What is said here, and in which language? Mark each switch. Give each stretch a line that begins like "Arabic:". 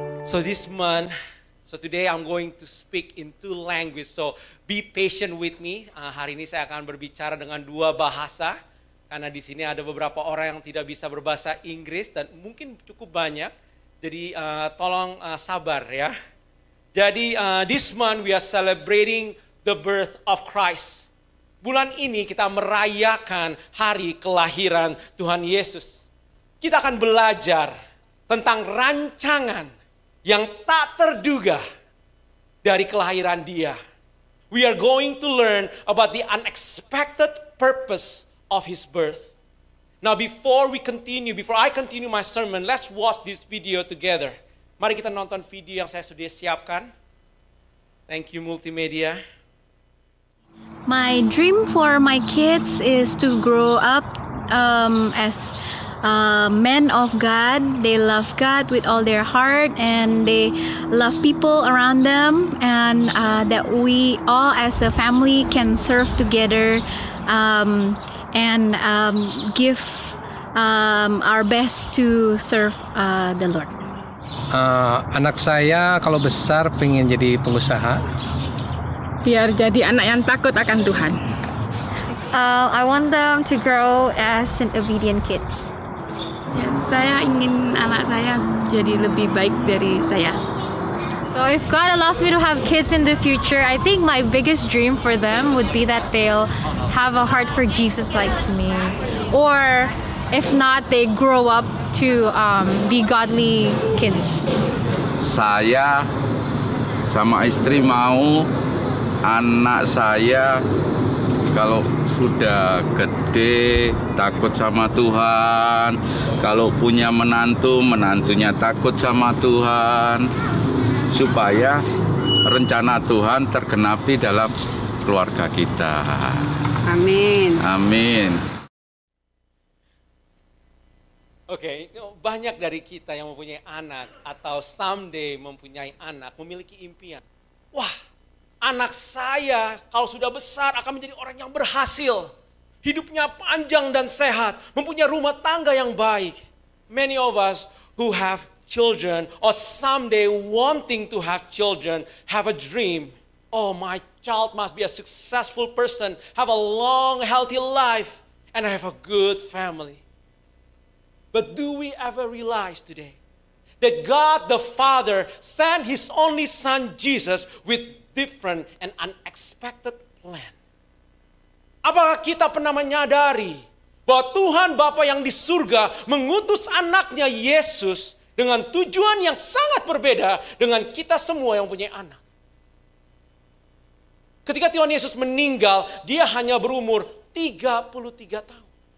English: So this month, so today I'm going to speak in two languages. So be patient with me.
Indonesian: Hari ini saya akan berbicara dengan dua bahasa. Karena di sini ada beberapa orang yang tidak bisa berbahasa Inggris dan mungkin cukup banyak. Jadi tolong sabar ya.
English: Jadi this month we are celebrating the birth of Christ.
Indonesian: Bulan ini kita merayakan hari kelahiran Tuhan Yesus. Kita akan belajar tentang rancangan yang tak terduga dari kelahiran Dia.
English: We are going to learn about the unexpected purpose of His birth. Now before we continue, before I continue my sermon, let's watch this video together.
Indonesian: Mari kita nonton video yang saya sudah siapkan.
English: Thank you, Multimedia. My dream for my kids is to grow up as men of God. They love God with all their heart and they love people around them, and that we all as a family can serve together and give our best to serve the Lord.
Indonesian: Anak saya kalau besar pengen jadi pengusaha. Biar jadi anak yang takut akan Tuhan.
English: I want them to grow as an obedient kids.
Indonesian: Yes, saya ingin anak saya jadi lebih baik dari saya.
English: So if God allows me to have kids in the future, I think my biggest dream for them would be that they'll have a heart for Jesus like me. Or if not, they grow up to be godly kids.
Indonesian: Saya sama istri mau anak saya kalau sudah gede takut sama Tuhan, kalau punya menantu, menantunya takut sama Tuhan, supaya rencana Tuhan tergenapi dalam keluarga kita. Amin. Amin. Oke, banyak dari kita yang mempunyai anak atau someday mempunyai anak, memiliki impian. Wah, anak saya kalau sudah besar akan menjadi orang yang berhasil. Hidupnya panjang dan sehat, mempunyai rumah tangga yang baik.
English: Many of us who have children or someday wanting to have children have a dream. Oh, my child must be a successful person, have a long healthy life, and have a good family. But do we ever realize today that God the Father sent His only Son Jesus with different and unexpected plan?
Indonesian: Apakah kita pernah menyadari bahwa Tuhan Bapa yang di surga mengutus anaknya Yesus dengan tujuan yang sangat berbeda dengan kita semua yang punya anak? Ketika Tuhan Yesus meninggal, Dia hanya berumur 33 tahun.